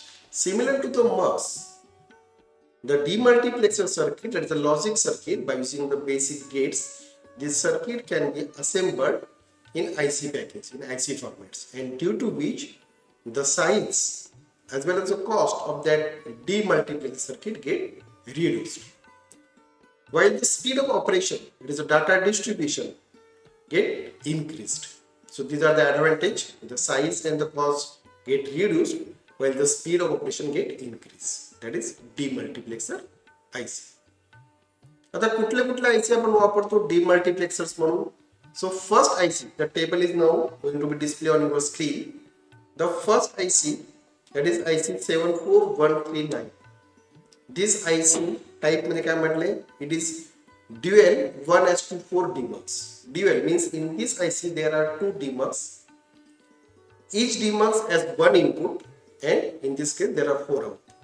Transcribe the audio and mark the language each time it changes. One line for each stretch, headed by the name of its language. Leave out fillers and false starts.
English: Similar to the MUX, the demultiplexer circuit, that is a logic circuit, by using the basic gates, this circuit can be assembled in IC packets, in IC formats, and due to which the size as well as the cost of that demultiplexer circuit get reduced. While the speed of operation, it is a data distribution, get increased. So these are the advantage: the size and the cost get reduced while the speed of operation get increased. That is demultiplexer IC.
Marathi: आता कुठले कुठले IC आपण वापरतो demultiplexers म्हणून.
English: So first IC, the table is now going to be displayed on your screen. The first IC, that is IC74139. This IC type
Marathi: मध्ये काय म्हटले,
English: it is dual 1S24 Demux. Dual means in this IC there are two Demux. Each Demux has one input and in this case there are four outputs.